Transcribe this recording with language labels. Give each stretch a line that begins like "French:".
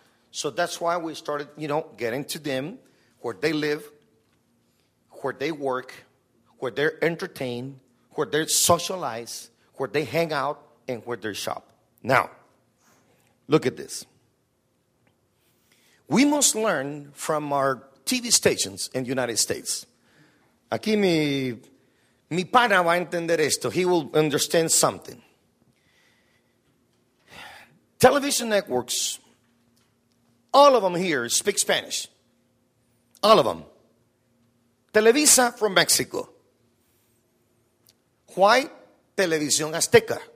English: So that's why we started, you know, getting to them, where they live, where they work, where they're entertained, where they socialize, where they hang out, and where they shop. Now, look at this. We must learn from our TV stations in the United States.
Spanish: Aquí mi pana va a entender esto.
English: He will understand something. Television networks, all of them here speak Spanish. All of them. Televisa from Mexico. Why? Televisión Azteca.